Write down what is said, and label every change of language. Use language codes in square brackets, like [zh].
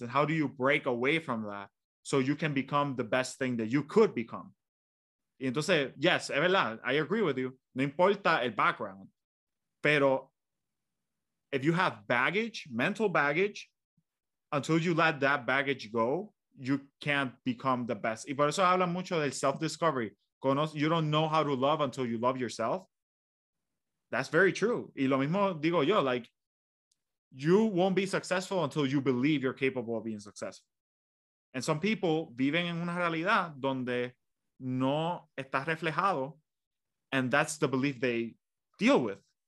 [en] And how do you break away from that so you can become the best thing that you could become? [es] Y entonces, [en] yes, [es] es verdad, [en] I agree with you. [es] No importa el background. Pero [en] if you have baggage, mental baggage, until you let that baggage go, you can't become the best. [es] Y por eso hablan mucho del self-discovery. [en] You don't know how to love until you love yourself. That's very true. [es] Y lo mismo digo yo, [en] like, you won't be successful until you believe you're capable of being successful. And some people [es] viven en una realidad donde no está reflejado, [en] and that's the belief they deal with.